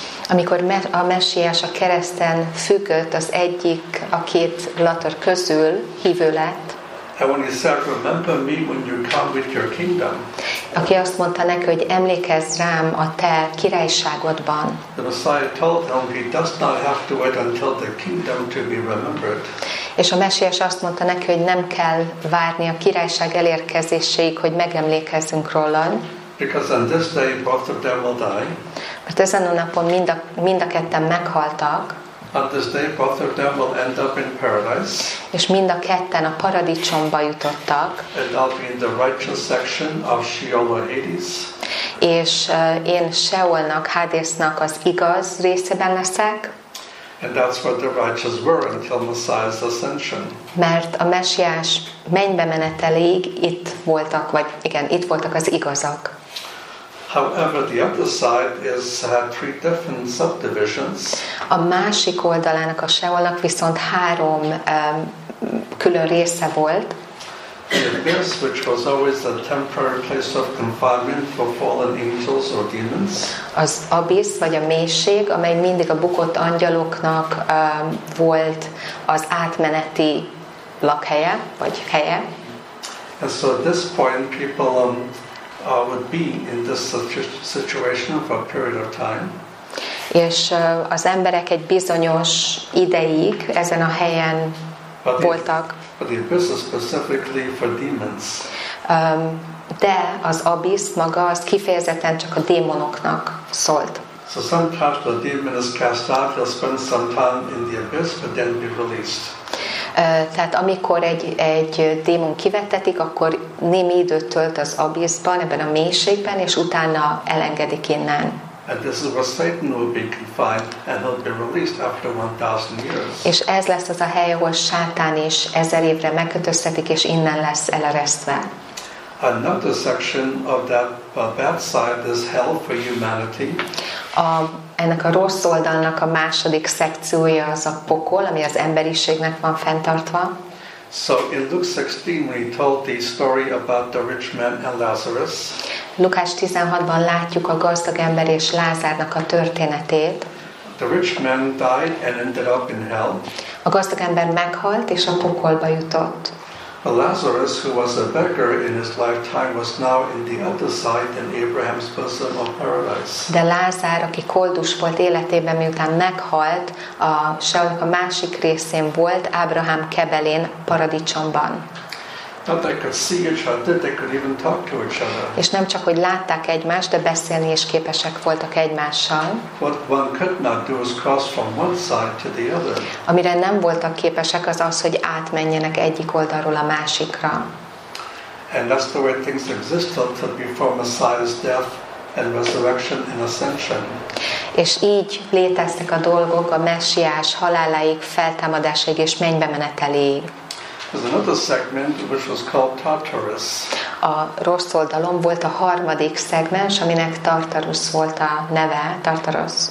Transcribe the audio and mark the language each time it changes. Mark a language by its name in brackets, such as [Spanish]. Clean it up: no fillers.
[Hungarian] Amikor a Mesiás a kereszten függött, az egyik a két latör közül hívő lett. [English] And when he said, "Remember me when you come with your kingdom." [Hungarian] Aki azt mondta neki, hogy emlékezz rám a te királyságodban. [English] The Messiah told him he does not have to wait until the kingdom to be remembered. [Hungarian] És a Mesiás azt mondta neki, hogy nem kell várni a királyság elérkezéséig, hogy megemlékezzünk rólad. [English] Because on this day both of them will die. [Hungarian] Mert ezen a napon mind a ketten meghaltak. [English] On this day both of them will end up in paradise. [Hungarian] És mind a ketten a paradicsomba jutottak. [English] And I'll be in the righteous section of Sheol or Hades. [Hungarian] És én Sheolnak, Hadesnak az igaz részében leszek. [English] And that's what the righteous were until Messiah's ascension. [Hungarian] Mert a Mesiás mennybe meneteléig itt voltak, vagy igen, itt voltak az igazak. [English] However, the other side is had three different subdivisions. [Hungarian] A másik oldalának a Sheolnak viszont három külön része volt. [English] The abyss, which was always a temporary place of confinement for fallen angels or demons. [Hungarian] Az abisz, vagy a mélység, amely mindig a bukott angyaloknak volt az átmeneti lakhelye, vagy helye. [English] And so at this point people would be in this situation for a period of time. [Hungarian] És az emberek egy bizonyos ideig ezen a helyen voltak. [English] But the abyss is specifically for demons. [Hungarian] De az abisz maga az kifejezetten csak a démonoknak szólt. [English] So sometimes the demon is cast out, he'll spend some time in the abyss, but then be released. [Hungarian] Tehát amikor egy démon kivettetik, akkor némi időt tölt az abiszban, ebben a mélységben, és utána elengedik innen. [English] And this is where Satan will be confined and he'll be released after 1,000 years. [Hungarian] És ez lesz az a hely, ahol Sátán is 1000 évre megkötöztetik, és innen lesz eleresztve. [English] Another section of that bad side is hell for humanity. [Hungarian] Ennek a rossz oldalnak a második szekciója az a pokol, ami az emberiségnek van fenntartva. [English] So in Luke 16 we told the story about the rich man and Lazarus. [Hungarian] Lukács 16-ban látjuk a gazdag ember és Lázárnak a történetét. [English] The rich man died and ended up in hell. [Hungarian] A gazdag ember meghalt és a pokolba jutott. [English] A Lazarus, who was a beggar in his lifetime, was now in the other side in Abraham's bosom of paradise. [Hungarian] De Lázár, aki koldus volt életében, miután meghalt, a Seolnak a másik részén volt, Ábrahám kebelén, paradicsomban. [English] Not they could see each other, they could even talk to each other. [Hungarian] És nem csak, hogy látták egymást, de beszélni is képesek voltak egymással. [English] What one could not do is cross from one side to the other. [Hungarian] Amire nem voltak képesek, az az, hogy átmenjenek egyik oldalról a másikra. [English] And that's the way things existed before Messiah's death and resurrection and ascension. [Hungarian] És így léteztek a dolgok a Messiás haláláig, feltámadásig és mennybe meneteléig. [English] There's another segment which was called Tartarus. [Hungarian] A rossz oldalon volt a harmadik szegmens, aminek Tartarus volt a neve, Tartarus.